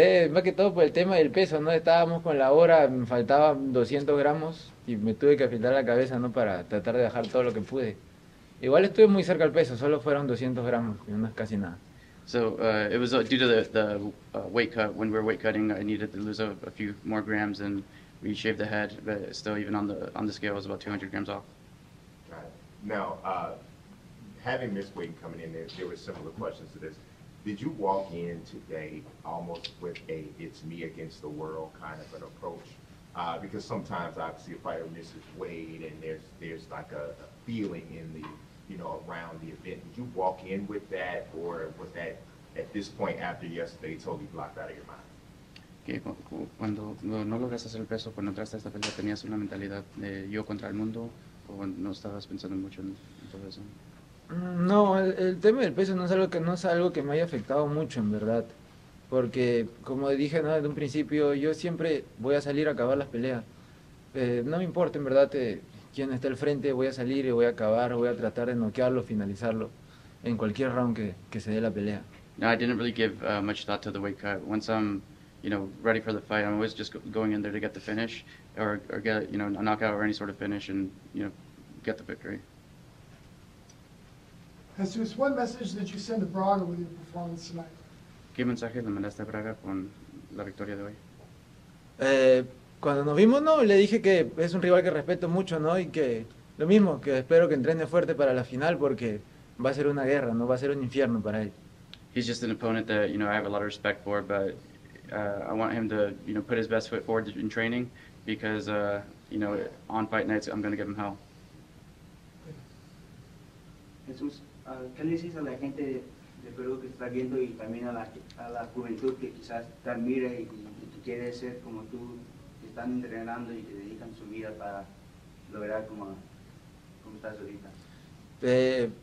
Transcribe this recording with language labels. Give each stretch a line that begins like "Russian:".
Spanish: Más que todo por el tema del peso, ¿no? Estábamos con la hora, me faltaban 200 gramos y me tuve que afeitar la cabeza, ¿no? Para tratar de bajar todo lo que pude. Igual estuve muy cerca al peso, solo fueron 200 gramos, no es casi nada.
English: It was due to the weight cut. When we were weight cutting, I needed to lose a few more grams, and we shaved the head, but still, even on the scale, it was about 200 grams off. Now, having missed weight coming in, there were similar questions to this. Did you walk in today almost with a "it's me against the world" kind of an approach? Because sometimes, obviously, a fighter misses weight, and there's like a feeling in the around the event. Did you walk in with that, or was that at this point after yesterday totally blocked out of your mind?
Spanish: Cuando no logras hacer el peso, cuando entraste a esta pelea, ¿tenías una mentalidad de yo contra el mundo o no estabas pensando mucho en todo eso? No, el tema del peso no es algo que me haya afectado mucho en verdad, porque como dije, ¿no? Desde un principio, yo siempre voy a salir a acabar las peleas. No me importa en verdad quién está al frente, voy a salir y voy a acabar, voy a tratar de noquearlo, finalizarlo en cualquier round que se dé la pelea.
English: No, I didn't really give much thought to the weight cut. Once I'm, ready for the fight, I'm always just going in there to get the finish, or get, a knockout or any sort of finish, and get the victory. Jesús, what message did you send to Braga with your performance tonight?
Spanish: ¿Qué mensaje le mandaste a Braga con la victoria de hoy? Cuando nos vimos, no, le dije que es un rival que respeto mucho, ¿no? Y que lo mismo, que espero que entrene fuerte para la final porque va a ser una guerra, ¿no? Va a ser un infierno para él.
English: he's just an opponent that, you know, I have a lot of respect for, but I want him to, you know, put his best foot forward in training because, you know, on fight nights, I'm going to give him hell. Jesus,
Spanish: ¿qué le dices a la gente de Perú que está viendo y también a la juventud que quizás te admira y que quiere ser como tú, que están entrenando y que dedican su vida para lograr como estás ahorita?